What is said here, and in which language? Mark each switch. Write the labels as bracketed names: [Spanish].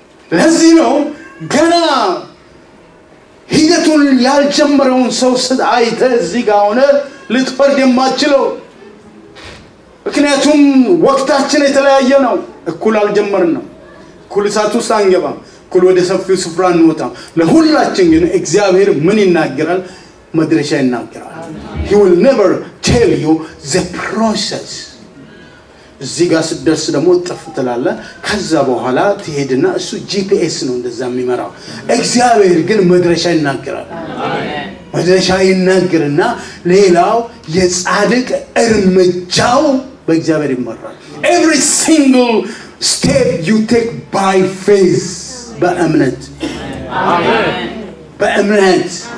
[Amharic] ለዚህ ነው። ገና ሂደቱን ያልጀመረውን ሰው ስለአይተ እዚህ ጋር ሆነ ልትፈርድ የማትችለው ምክንያቱም ወቅታችን የተለያየ ነው። እኩል አልጀመርንም። ኩልሳቱ ሳንገባ ኩል ወደ ሰፊው ስፍራ እንወጣ። ለሁላችን ግን እግዚአብሔር ምን ይናገራል? መድረሻ ይናገራል። [English] He will never tell you the process. [Amharic] ዚጋ ስደርስ ደሞ ጥፍትላለ ከዛ በኋላ ትሄድና እሱ GPS ነው እንደዛ የሚመራው። እግዚአብሔር ግን መድረሻ ይናገራል። አሜን። መድረሻ ይናገርና ሌላው የጻድቅ እርምጃው በእግዚአብሔር ይመራል። [English] Every single step you take by faith [Amharic] በእምነት በእምነት